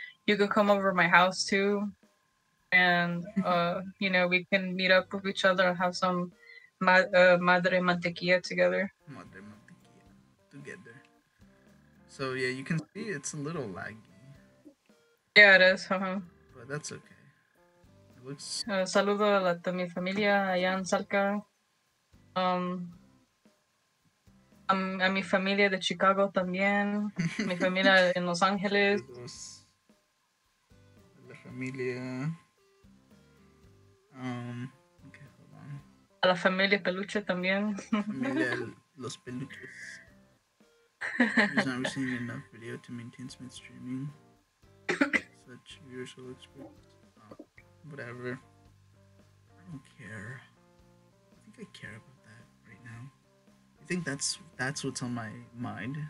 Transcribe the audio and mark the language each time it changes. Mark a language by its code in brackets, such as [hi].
[en] You can come over to my house too, and you know, we can meet up with each other and have some madre mantequilla together. [es] Madre mantequilla [en] together. So yeah, you can see it's a little laggy. Yeah, it is. Uh-huh. That's okay. It looks... [es] saludo a la mi familia allá en Salca. A mi familia de Chicago también. Mi familia en Los Ángeles. La familia. [en] Okay, hold on. [es] A la familia peluche también. Familia los peluches. [en] He's not receiving enough video to maintain Smith streaming. Such usual experience. Whatever. I don't care. I think I care about that right now. You think that's what's on my mind?